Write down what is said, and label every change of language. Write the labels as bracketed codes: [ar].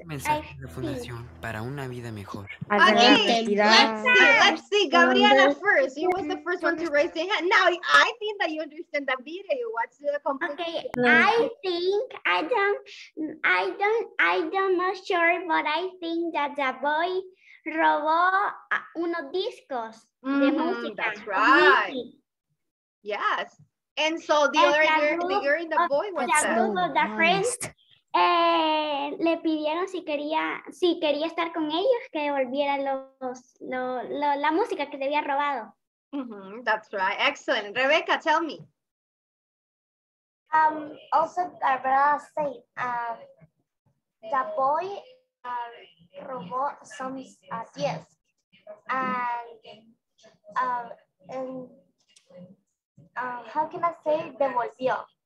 [es] Un mensaje de Fundación para una vida mejor. [en] Okay, let's see, Gabriela first. You was the first one to raise the hand. Now, I think that you understand the video. What's the complete? Okay, I'm not sure, but I think that the boy [es] robó unos discos de música. [en] That's right. Yes. And so the boy was the friend. [es] Le pidieron si quería estar con ellos que devolviera la música que le había robado. [en] Mm-hmm, that's right. Excellent. Rebecca, tell me. Also, the brother said the boy robó some yes. And how can I say devolvió?